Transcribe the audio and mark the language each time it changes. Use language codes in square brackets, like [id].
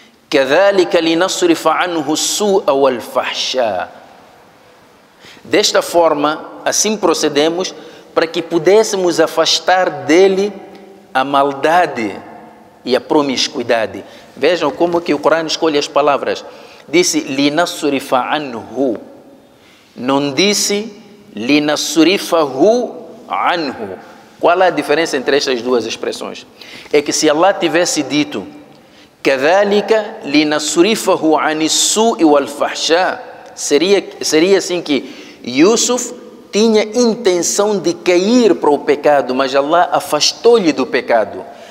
[ar] كَذَلِكَ لِنَصْرِفَ عَنْهُ السُّوءَ وَالْفَحْشَاءَ. [pt] Desta forma, assim procedemos, para que pudéssemos afastar dele a maldade e a promiscuidade. Vejam como que o Corão escolhe as palavras. Disse [ar] لِنَصْرِفَ عَنْهُ. [pt] Não disse [ar] لِنَصْرِفَهُ عَنْهُ. [pt] Qual é a diferença entre estas duas expressões? É que se Allah tivesse dito [ar] كَذَلِكَ لِنَصْرِفَهُ عَنِ السُّوءِ وَالْفَحْشَاءِ, [pt] seria assim que Yusuf tinha intenção de cair para o pecado, mas Allah afastou-lhe do pecado.